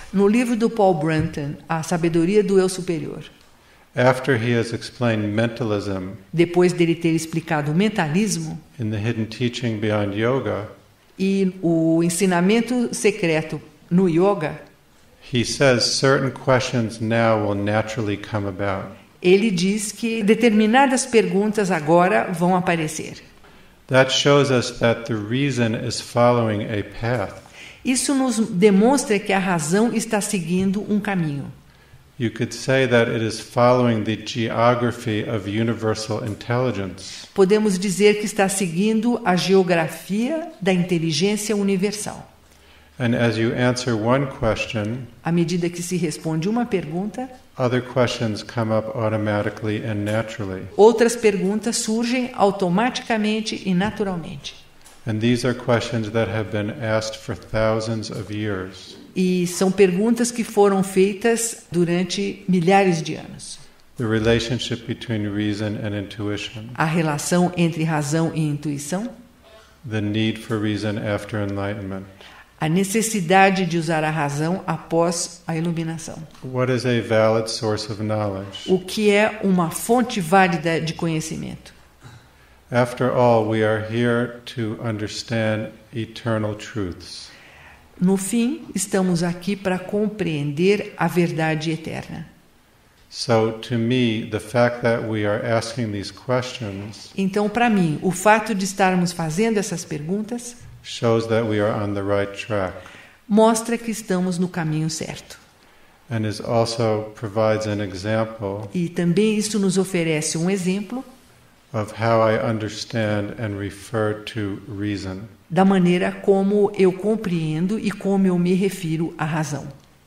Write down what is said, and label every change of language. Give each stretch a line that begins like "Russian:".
Portuguese: no livro do Paul Branton, A Sabedoria do Eu Superior,
English: after he has explained mentalism,
Portuguese: depois dele ter explicado o mentalismo,
English: in the hidden teaching beyond yoga,
Portuguese: e o ensinamento secreto no yoga,
English: he says certain questions now will naturally come about.
Portuguese: Ele diz que determinadas perguntas agora vão aparecer.
English: That shows us that the reason is following a path.
Portuguese: Isso nos demonstra que a razão está seguindo um caminho.
English: You could say that it is following the geography of universal intelligence.
Portuguese: Podemos dizer que está seguindo a geografia da inteligência universal.
English: And as you answer one question,
Portuguese: à medida que se responde uma pergunta,
English: other questions come up automatically and naturally.
Portuguese: Outras perguntas surgem automaticamente e naturalmente.
English: And these are questions that have been asked for thousands of years.
Portuguese: E são perguntas que foram feitas durante milhares de anos.
English: The relationship between reason and intuition.
Portuguese: A relação entre razão e intuição.
English: The need for reason after enlightenment.
Portuguese: A necessidade de usar a razão após a iluminação.
English: What is a valid source of knowledge?
Portuguese: O que é uma fonte válida de conhecimento?
English: After all, we are here to understand eternal truths.
Portuguese: No fim, estamos aqui para compreender a verdade eterna.
English: So, to me, the fact that we are asking these questions,
Portuguese: então, para mim, o fato de estarmos fazendo essas perguntas
English: shows that we are on the right track.
Portuguese: Mostra que estamos no caminho certo.
English: And it also provides an example.
Portuguese: E também isso nos oferece um exemplo
English: of how I understand and refer to reason.
Portuguese: Da maneira como eu compreendo e como eu me refiro à razão.